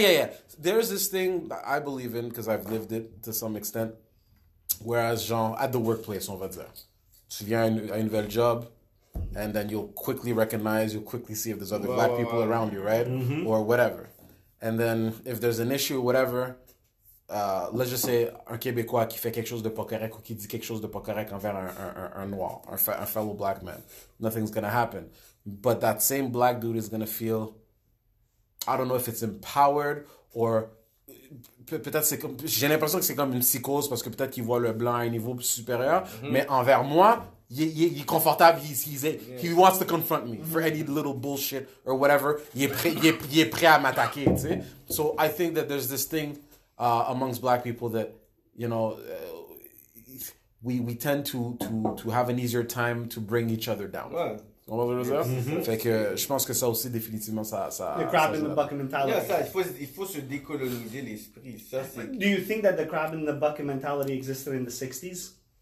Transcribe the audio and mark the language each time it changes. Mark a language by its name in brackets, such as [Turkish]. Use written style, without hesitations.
[English] Yeah. There is this thing that I believe in because I've lived it to some extent. Whereas, genre, at the workplace, [French] on va dire, tu viens à une belle job, [English] and then you'll quickly see if there's other black people around you, right? Mm-hmm. Or whatever. And then if there's an issue, whatever. Let's just say [French] un Québécois qui fait quelque chose de pas correct ou qui dit quelque chose de pas correct envers un noir, un [English] fellow black man. Nothing's gonna happen. But that same black dude is gonna feel, I don't know if it's empowered or [French] peut-être c'est comme, j'ai l'impression que c'est comme une psychose parce que peut-être qu'il voit le blanc à un niveau supérieur, mais envers moi, il est confortable, [English] he wants to confront me for any little bullshit or whatever. [French] Il est prêt à m'attaquer, tu sais. [English] So I think that there's this thing amongst black people that, you know, we tend to have an easier time to bring each other down. [French] Ouais. On va dire ça? Fait que je pense que ça aussi, définitivement, ça... [English] The crab in the bucket mentality. [French] Yeah, ça, il faut se décoloniser l'esprit. Ça, c'est... [English] Do you think that the crab in the bucket mentality existed in the 60s?